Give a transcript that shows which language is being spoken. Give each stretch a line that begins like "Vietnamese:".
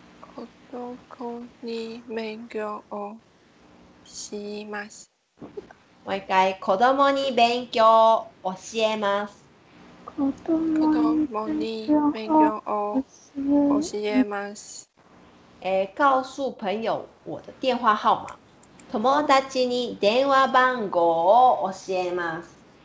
Japanese: 子供に勉強をします。もう一回。子供に勉強を教えます。子供に勉強を教えます。
Chinese: 告诉朋友我的电话号码。
Japanese: 友達に電話番号を教えます。